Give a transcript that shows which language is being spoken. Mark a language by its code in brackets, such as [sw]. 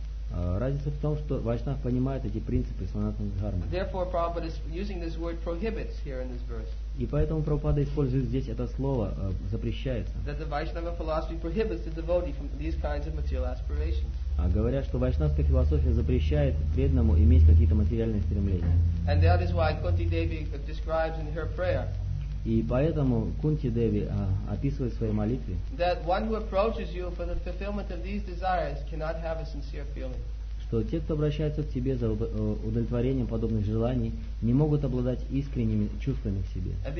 [ru] Разница в том, что вайшнав понимает эти принципы санатана дхармы. [en] Therefore, Prabhupada is using this word prohibits here in this verse. [ru] И поэтому Прабхупада использует здесь это слово запрещается. [en] That the Vaishnava philosophy prohibits the devotee from these kinds of material aspirations. [ru] А говорят, что вайшнавская философия запрещает преданному иметь какие-то материальные стремления. [en] And that is why Kunti Devi describes in her prayer. [ru] И поэтому Кунти Деви описывает в своей молитве, [en] that one who approaches you for the fulfillment of these desires cannot have a sincere feeling. [ru] Что те, кто обращаются к тебе за удовлетворением подобных желаний, не могут обладать искренними чувствами к себе.